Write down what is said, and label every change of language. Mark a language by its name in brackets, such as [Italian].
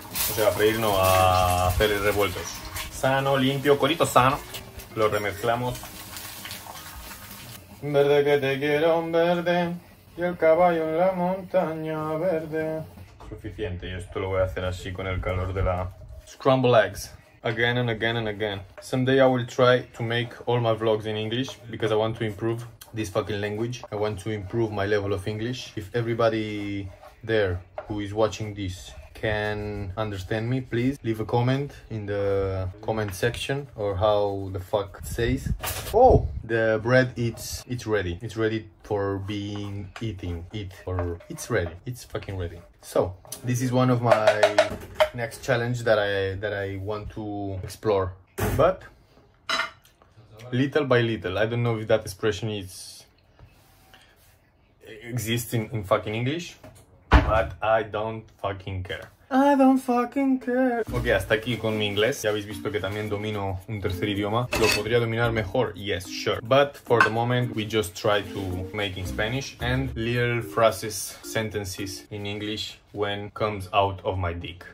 [Spanish] O sea, a freír no, a hacer revueltos. Sano, limpio, corito sano. Lo remezclamos. Verde que te quiero, un verde. Y el caballo en la montaña verde. Suficiente, y esto lo voy a hacer así con el calor de la... [English] Scramble eggs. Again and again and again. Someday I will try to make all my vlogs in English because I want to improve this fucking language. I want to improve my level of English. If everybody there who is watching this can understand me, please leave a comment in the comment section or how the fuck it says. Oh, the bread, it's ready. It's ready for being eating. Eat or it's ready. It's fucking ready. So this is one of my next challenge that I want to explore. But little by little, I don't know if that expression exists in fucking English, but I don't fucking care. I don't fucking care. [Spanish] Ok, hasta aquí con mi inglés. Ya habéis visto que también domino un tercer idioma. ¿Lo podría dominar mejor? [English] Yes, sure. But for the moment, we just try to make in Spanish and little phrases, sentences in English when comes out of my dick.